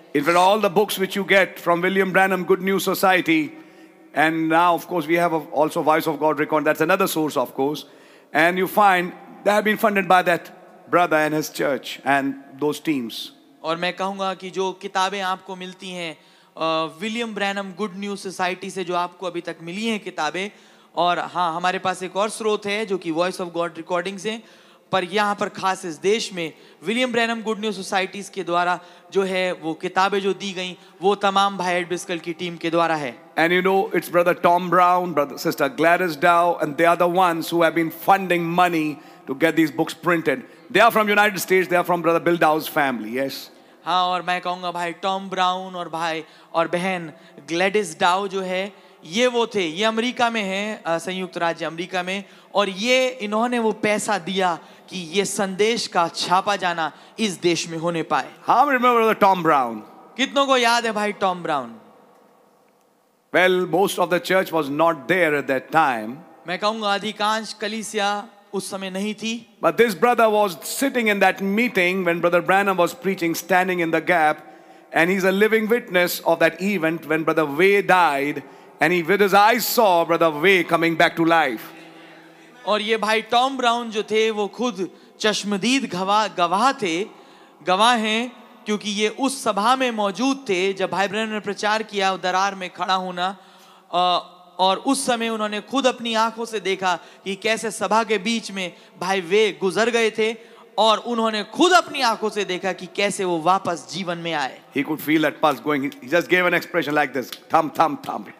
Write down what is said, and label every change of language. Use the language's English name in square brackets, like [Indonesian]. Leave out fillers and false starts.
[English] In fact, all the books which you get from William Branham Good News Society. And now, of course, we have also Voice of God Record. That's another source, of course. And you find they have been funded by that brother and his church and those teams. [Hindi] और मैं कहूँगा कि जो किताबें आपको मिलती हैं William Branham Good News Society से जो आपको अभी तक मिली हैं किताबें और हाँ हमारे पास एक और स्रोत है जो कि Voice of God Recordings हैं पर यहाँ पर खास इस देश में William Branham Good News Societies के द्वारा जो है वो किताबें जो दी गई वो तमाम भाई एड बिस्कल की टीम के द्वारा है. [English] And you know it's brother Tom Brown, brother sister Gladys Dow, and they are the ones who have been funding money to get these books printed. They are from United States. They are from brother Bill Dow's family. Yes. [Hindi] हाँ और मैं कहूँगा भाई Tom Brown और भाई और बहन Gladys Dow जो है ये वो थे, ये अमेरिका में हैं, संयुक्त राज्य अमेरिका में और ये इन्होंने वो पैसा दिया कि ये संदेश का छापा जाना इस देश में होने पाए. [English] How remember the Tom Brown? [Hindi] कितनों को याद है भाई Tom Brown? [English] Well, most of the church was not there at that time. [Hindi] मैं कहूँगा अधिकांश कलीसिया उस समय नहीं थी. [English] But this brother was sitting in that meeting when Brother Branham was preaching, standing in the gap, and he's a living witness of that event when Brother Way died, and he with his eyes saw Brother Way coming back to life. [Hindi] और ये भाई Tom Brown जो थे, वो खुद चश्मदीद गवाह थे गवाह हैं क्योंकि ये उस सभा में मौजूद थे जब भाई ब्रैनम ने प्रचार किया दरार में खड़ा होना और उस समय उन्होंने खुद अपनी आंखों से देखा कि कैसे सभा के बीच में भाई वे गुजर गए थे और उन्होंने खुद अपनी आंखों से देखा कि कैसे वो वापस जीवन में आए. [English] He could feel that pulse going. He just gave an expression like this, thump thump thump.